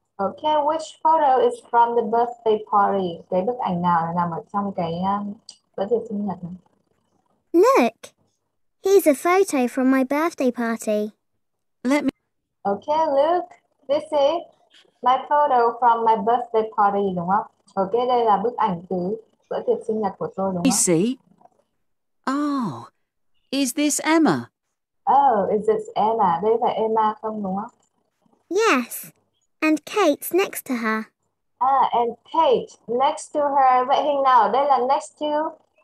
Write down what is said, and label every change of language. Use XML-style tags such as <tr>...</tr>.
<en>Okay, which photo is from the birthday party?</en> <vi>Cái bức ảnh nào nằm ở trong cái bữa tiệc sinh nhật?</vi> <en>Look. Here's a photo from my birthday party. Let me. Okay, look. This is my photo from my birthday party,</en> <vi>đúng không? Okay, đây là bức ảnh từ bữa tiệc sinh nhật của tôi, đúng không?</vi> <en>You see? Oh, is this Emma? Oh, is this Emma?</en> <vi>Đây phải Emma không, đúng không?</vi> <en>Yes. And Kate's next to her. And Kate next to her.</en> <vi>Vậy hình nào? Đây là</vi> <en>next to.</en>